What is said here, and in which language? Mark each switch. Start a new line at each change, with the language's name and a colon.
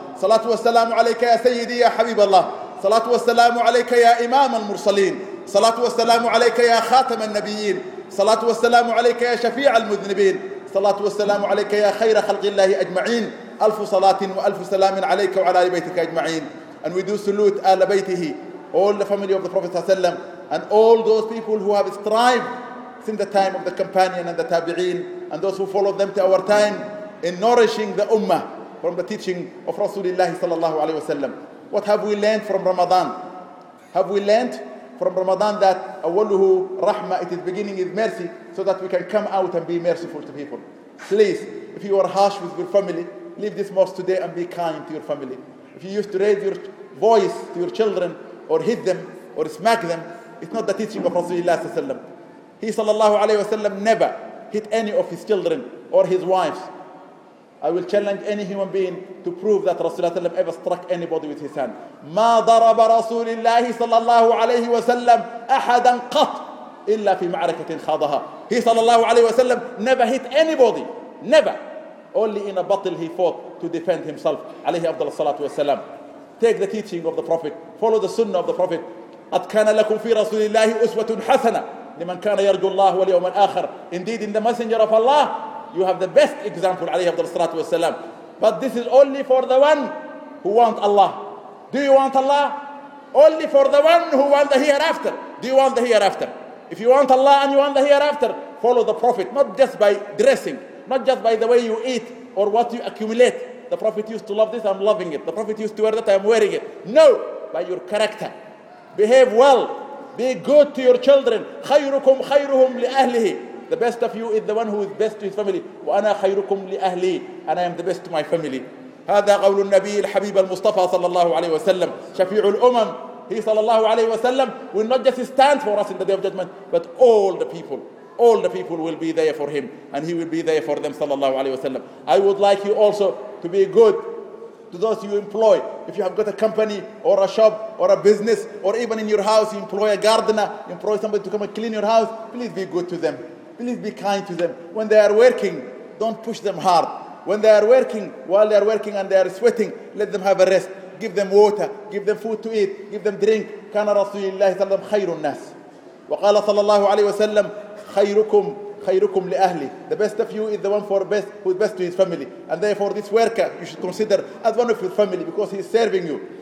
Arabic: الصلاة والسلام عليك يا سيدي يا حبيب الله. الصلاة والسلام عليك يا إمام المرسلين. الصلاة والسلام عليك يا خاتم النبيين. الصلاة والسلام عليك يا شفيع المذنبين. الصلاة والسلام عليك يا خير خلق الله أجمعين. ألف صلاة وألف سلام عليك وعلى آل بيتك أجمعين.
English: And we do salute آل بيته, all the family of the Prophet ﷺ, and all those people who have strived since the time of the companion and the tabi'een, and those who followed them to our time in nourishing the ummah from the teaching of Rasulullah sallallahu alayhi wasallam. What have we learned from Ramadan? Have we learned from Ramadan that
Arabic: awaluhu rahma,
English: it is beginning with mercy, so that we can come out and be merciful to people? Please, if you are harsh with your family, leave this mosque today and be kind to your family. If you used to raise your voice to your children or hit them or smack them, it's not the teaching of Rasulullah sallallahu alayhi wa sallam. He sallallahu alayhi wa sallam never hit any of his children or his wives. I will challenge any human being to prove that Rasulullah sallam ever struck anybody with his hand.
Arabic: ما ضرب رسول الله صلى الله عليه وسلم أحدا قط إلا في معركة خاضها.
English: He sallallahu alayhi wa sallam never hit anybody. Never. Only in a battle he fought to defend himself.
Arabic: عليه أفضل الصلاة والسلام.
English: Take the teaching of the Prophet. Follow the sunnah of the Prophet.
Arabic: قد كان لكم في رسول الله أسوة حسنة لمن كان يرجو الله واليوم الآخر.
English: Indeed, in the messenger of Allah, you have the best example,
Arabic: عليه أفضل الصلاة والسلام.
English: But this is only for the one who want Allah. Do you want Allah? Only for the one who want the hereafter. Do you want the hereafter? If you want Allah and you want the hereafter, follow the Prophet, not just by dressing, not just by the way you eat, or what you accumulate. The Prophet used to love this, I'm loving it. The Prophet used to wear that, I'm wearing it. No, by your character. Behave well. Be good to your children.
Arabic: خَيْرُكُمْ خَيْرُهُمْ لِأَهْلِهِ.
English: The best of you is the one who is best to his family.
Arabic: وَأَنَا خَيْرُكُمْ لِأَهْلِي.
English: And I am the best to my family.
Arabic: هذا قول النبي الحبيب المصطفى صلى الله عليه وسلم شفيع الأمم.
English: He
Arabic: صلى الله عليه وسلم
English: will not just stand for us in the day of judgment, but all the people will be there for him, and he will be there for them صلى الله عليه وسلم. I would like you also to be good to those you employ. If you have got a company or a shop or a business, or even in your house you employ a gardener, you employ somebody to come and clean your house, please be good to them. Please be kind to them. When they are working, don't push them hard. When they are working, while they are working and they are sweating, let them have a rest. Give them water, give them food to eat, give them drink.
Arabic: كان رسول الله صلى الله عليه وسلم خير الناس. وقال صلى الله عليه وسلم خيركم خيركم لأهلي.
English: The best of you is the one for best, who is best to his family. And therefore this worker you should consider as one of your family, because he is serving you.